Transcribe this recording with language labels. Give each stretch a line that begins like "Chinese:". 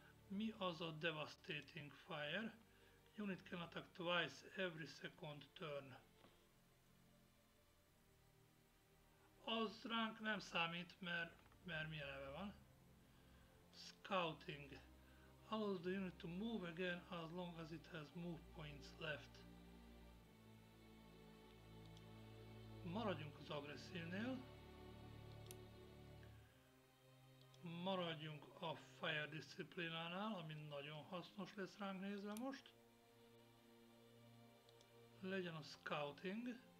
English: Me also devastating fire. Unit can attack twice every second turn.
Hungarian: Oz rank nem számít, mert mi eleve van.
English: Scouting. Allows the unit to move again as long as it has move points left.
Hungarian: Maradjunk az agresszívnél. Maradjunk a fire disciplinánál, ami nagyon hasznos lesz ránk nézve most. Legyen a scouting.